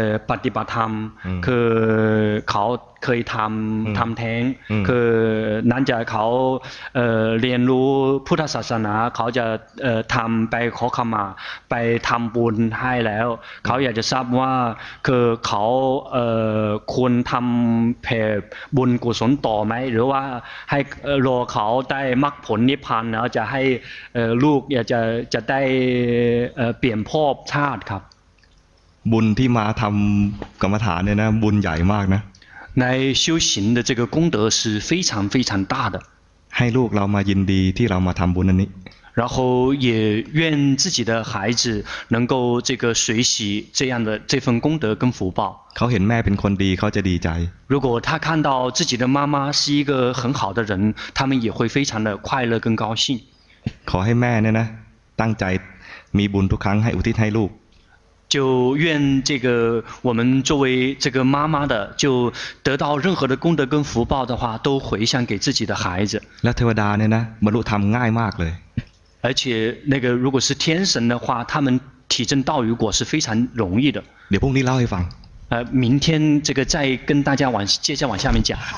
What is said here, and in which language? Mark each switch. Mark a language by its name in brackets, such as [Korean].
[Thai] ปฏิบัติธรรมคือเขาเคยทำแท้งคือนั้นจะเขาเรียนรู้พุทธศาสนาเขาจะทำไปขอขมาไปทำบุญให้แล้วเขาอยากจะทราบว่าคือเขาควรทำแผ่บุญกุศลต่อไหมหรือว่าให้รอเขาได้มรรคผลนิพพานแล้วจะให้ลูกอยากจะได้เปลี่ยนภพชาติครับ บุญที่มาทำกรรมฐานเนี่ยนะบุญใหญ่มากนะ [Chinese] ใน修行的这个功德是非常非常大的 [Thai] ให้ลูกเรามายินดีที่เรามาทำบุญอันนี้ [Chinese] 然后也愿自己的孩子能够这个随喜这样的这份功德跟福报 [Thai] เขาเห็นแม่เป็นคนดีเขาจะดีใจ [Chinese] 如果他看到自己的妈妈是一个很好的人他们也会非常的快乐跟高兴 [Thai] ขอให้แม่เนี่ยนะตั้งใจมีบุญทุกครั้งให้อุทิศให้ลูก [Chinese] 就愿这个我们作为这个妈妈的就得到任何的功德跟福报的话都回向给自己的孩子 [Thai] แล้วเทวดาเนี่ยนะบรรลุธรรมง่ายมากเลย [Chinese] 而且那个如果是天神的话他们体证道与果是非常容易的 [Thai] เดี๋ยวพรุ่งนี้เล่าให้ฟัง [Chinese] 明天这个再跟大家接着往下面讲